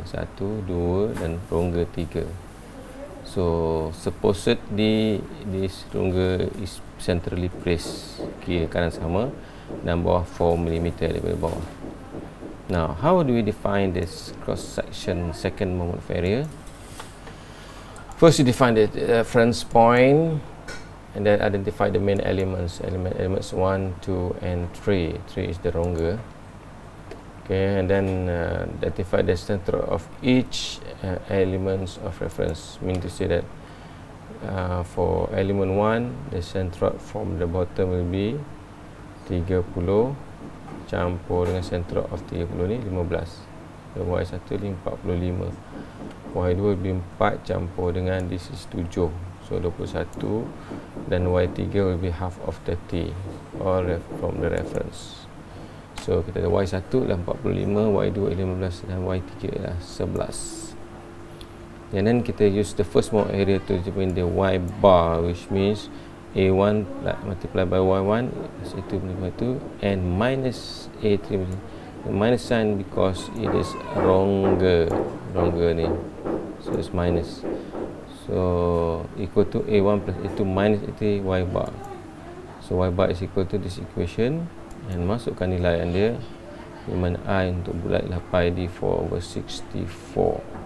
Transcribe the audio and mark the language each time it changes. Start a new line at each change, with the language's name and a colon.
Malay: Satu, dua dan rongga tiga.
English: So, supposedly this rongga is centrally placed.
Malay: Kiri kanan sama dan bawah 4 mm daripada bawah.
English: Now, how do we define this cross section second moment of area? First, you define the reference point and then identify the main elements. Elements 1, 2 and 3. 3 is the rongga. Okay, and then identify the center of each elements of reference, meaning to say that for element 1, the center from the bottom will be 30
Malay: campur dengan
English: center of 30 ni 15. The Y1 ni 45. Y2 will be 4
Malay: campur dengan
English: this is 7. So 21. Dan Y3 will be half of 30, all from the reference.
Malay: So kita ada Y1 ialah 45, Y2 ialah 15 dan Y3 ialah 11.
English: And then
Malay: kita
English: use the first moment area to determine the Y bar, which means A1 multiplied by Y1 is A2 multiplied by 2 and minus A3 multiplied. The minus sign because it is rongga ni. So it's minus. So equal to A1 plus A2 minus A3 Y bar. So Y bar is equal to this equation.
Malay: Dan masukkan nilai yang dia, di mana I untuk bulat ialah pi d 4 over 64.